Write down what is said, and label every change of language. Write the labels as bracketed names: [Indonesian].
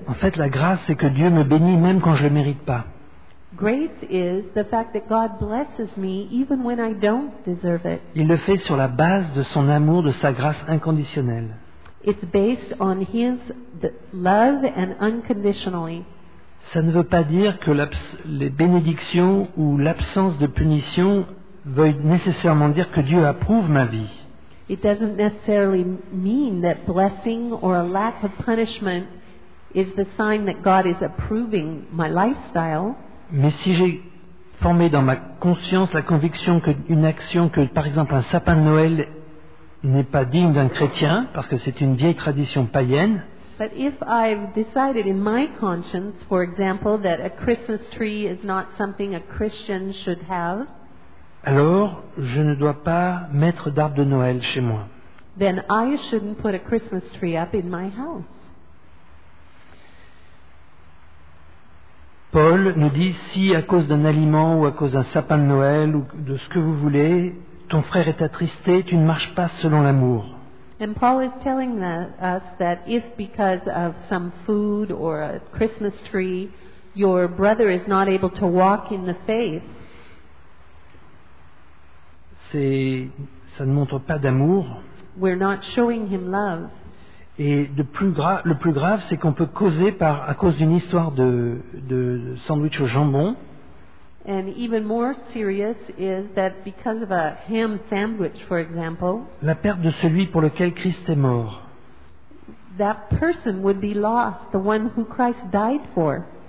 [French] En fait, la grâce, c'est que Dieu me bénit même quand je le mérite pas. [English] Grace is the fact that God blesses me even when I don't deserve it. [French] Il le fait sur la base de son amour, de sa grâce inconditionnelle. [English] It's based on His love and unconditionally. [French] Ça ne veut pas dire que les bénédictions ou l'absence de punition veuillent nécessairement dire que Dieu approuve ma vie. [English] It doesn't necessarily mean that blessing or a lack of punishment is the sign that God is approving my lifestyle. [French] Mais si j'ai formé dans ma conscience la conviction qu'une action, que par exemple un sapin de Noël n'est pas digne d'un chrétien, parce que c'est une vieille tradition païenne, [English] but if I've decided in my conscience, for example, that a Christmas tree is not something a Christian should have, [French] alors je ne dois pas mettre d'arbre de Noël chez moi. [English] Then I shouldn't put a Christmas tree up in my house. [French] Paul nous dit, si à cause d'un aliment ou à cause d'un sapin de Noël ou de ce que vous voulez, ton frère est attristé, tu ne marches pas selon l'amour. [English] And Paul is telling us that if because of some food or a Christmas tree, your brother is not able to walk in the faith, [French] ça ne montre pas d'amour. [English] We're not showing him love. [French] Et le plus grave, c'est qu'on peut causer à cause d'une histoire de sandwich au jambon. [English] And even more serious is that because of a ham sandwich, for example, [French] la perte de celui pour lequel Christ est mort. [English] That person would be lost, the one who Christ died for.